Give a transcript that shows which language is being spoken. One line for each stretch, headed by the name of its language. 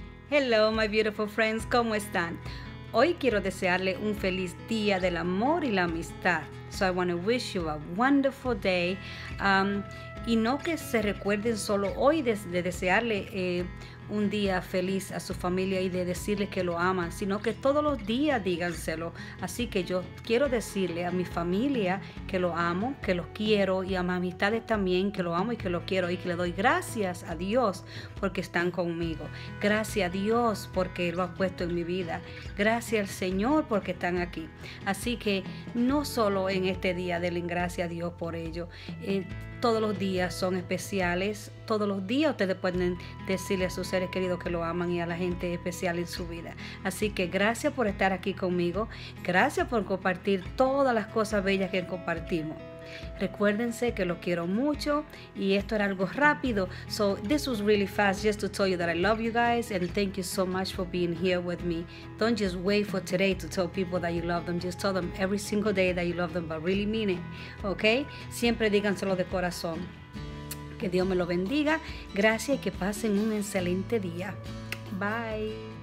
English: Hello, my beautiful friends,
Spanish: ¿cómo están? Hoy quiero desearle un feliz día del amor y la amistad.
English: So I want to wish you a wonderful day.
Spanish: Y no que se recuerden solo hoy de desearle un día feliz a su familia y de decirle que lo aman, sino que todos los días díganselo. Así que yo quiero decirle a mi familia que lo amo, que los quiero, y a mis amistades también que lo amo y que lo quiero, y que le doy gracias a Dios porque están conmigo. Gracias a Dios porque lo ha puesto en mi vida. Gracias al Señor porque están aquí. Así que no solo en este día denle gracias a Dios por ello. Todos los días son especiales. Todos los días ustedes pueden decirle a sus seres queridos que lo aman y a la gente especial en su vida. Así que gracias por estar aquí conmigo. Gracias por compartir todas las cosas bellas que compartimos. Recuérdense que los quiero mucho y esto era algo rápido.
English: So this was really fast just to tell you that I love you guys and thank you so much for being here with me. Don't just wait for today to tell people that you love them. Just tell them every single day that you love them, but really mean it, okay?
Spanish: Siempre díganselo de corazón. Que Dios me lo bendiga. Gracias y que pasen un excelente día. Bye.